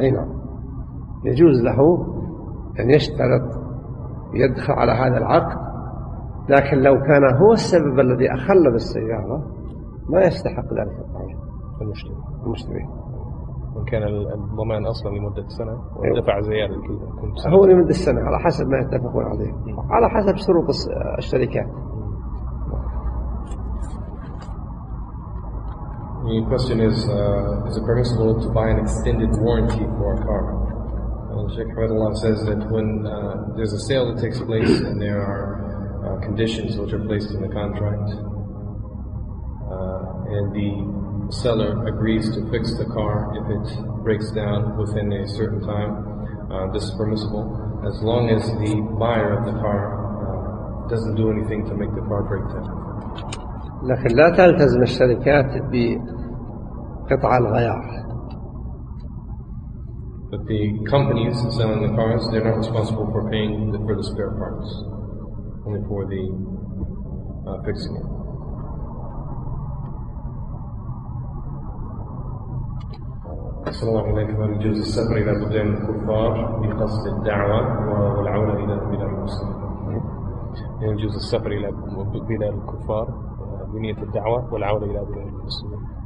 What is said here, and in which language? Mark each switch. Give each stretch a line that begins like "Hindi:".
Arabic: أي نعم يجوز له أن يشترط يدخل على هذا العقد لكن لو كان هو السبب الذي أخل بالسيارة ما يستحق ذلك المشتري وإن كان الضمان أصلا لمدة سنة ودفع زيادة هو لمدة سنة على حسب ما يتفقون عليه على حسب شروط الشركات.
English: The question is it permissible to buy an extended warranty for a car? And Sheikh Hamidullah says that when there's a sale that takes place and there are conditions which are placed in the contract and the seller agrees to fix the car if it breaks down within a certain time. This is permissible as long as the buyer of the car doesn't do anything to make the car break down.
Arabic: لكن لا تلتزم الشركات بقطع الغيار.
English: But the companies selling the cars, they're not responsible for paying for the spare parts, only for the fixing it.
Arabic: صلى الله عليه وسلم يجوز السفر إلى بلدان الكفار بقصد الدعوة والعودة إلى بلاد المسلمين. يجوز السفر إلى بلاد الكفار بنية الدعوة والعودة إلى بلاد المسلمين.